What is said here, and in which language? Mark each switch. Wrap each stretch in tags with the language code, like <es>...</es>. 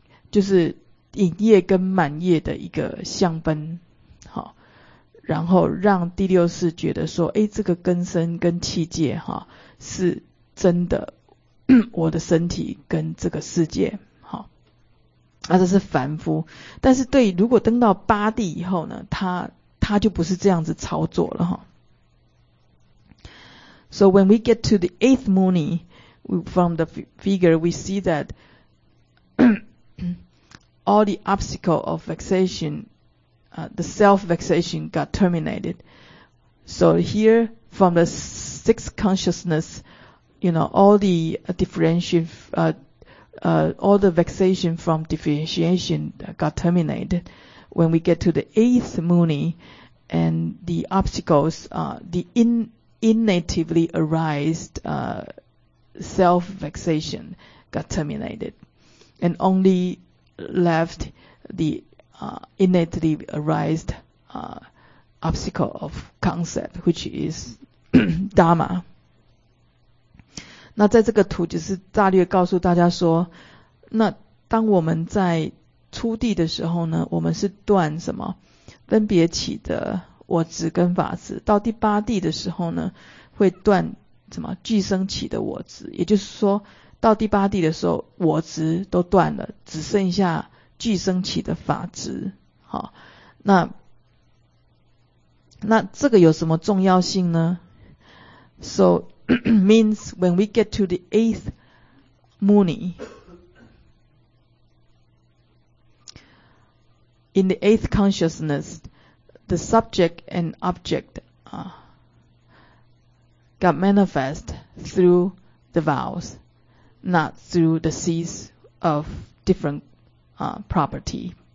<zh>就是隐业跟满业的一个相分，好，然后让第六识觉得说，哎，这个根身跟气界哈是真的，我的身体跟这个世界，好，那这是凡夫，但是对，如果登到八地以后呢，他就不是这样子操作了哈。</zh> <en>So when we get to the eighth Muni, from the figure, we see that all the obstacle of vexation, the self-vexation got terminated. So here, from the sixth consciousness, you know, all the differentiation, all the vexation from differentiation got terminated. When we get to the eighth Muni, and the obstacles, innatively arised self-vexation got terminated, and only left the innately arised obstacle of concept, which is Dharma.</en> <zh>那在这个图就是大略告诉大家说，那当我们在初地的时候呢，我们是断什么分别起的我执跟法执，到第八地的时候呢，会断什么俱生起的我执，也就是说到第八地的时候，我执都断了，只剩下俱生起的法执。好，那这个有什么重要性呢？</zh> <en>So means when we get to the eighth Muni, in the eighth consciousness,the subject and object got manifest through the vows, not through the seeds of different property.</en>